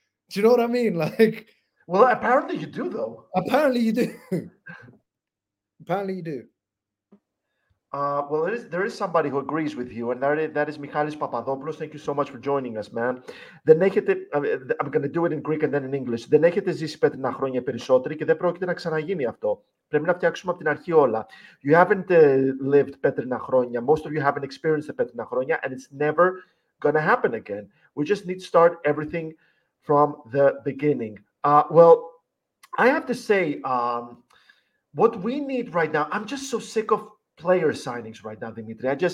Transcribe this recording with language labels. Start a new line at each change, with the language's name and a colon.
English: Do you know what I mean? Like, well, apparently you do, though. Apparently you do. Apparently you do. Well, there is somebody who agrees with you, and that is Michalis Papadopoulos. Thank you so much for joining us, man. The negative, I'm going to do it in Greek and then in English.
Greek: Δεν έχετε ζήσει πέντε χρόνια περισσότεροι και δεν πρόκειται να ξαναγίνει αυτό. Πρέπει να φτιάξουμε από την αρχή όλα.
English: You haven't lived
Greek: πέντε χρόνια.
English: Most of you haven't experienced the πέντε χρόνια, and it's never going to happen again. We just need to start everything from the beginning. Well, I have to say, what we need right now, I'm just so sick of player signings right now, Dimitri.